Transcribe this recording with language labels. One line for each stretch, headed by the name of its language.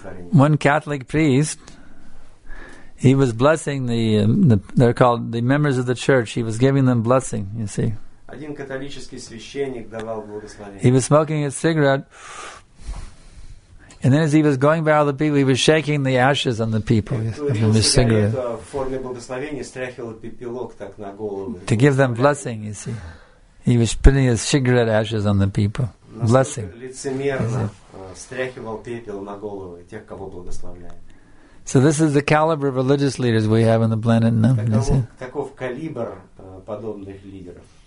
English: One Catholic priest, he was blessing they're called the members of the church, he was giving them blessing, you see.
Russian: Один католический священник давал благословение.
English: He was smoking a cigarette, and then as he was going by all the people, he was shaking the ashes on the people from his cigarette.
Russian: В форме благословения стряхивал пепелок так на голову.
English: To give them blessing, you see. He was putting his cigarette ashes on the people. Blessing.
Russian: Стряхивал пепел на голову тех, кого благословляет.
English: So this is the caliber of religious leaders we have on the planet now.
Russian: Таков калибр подобных лидеров.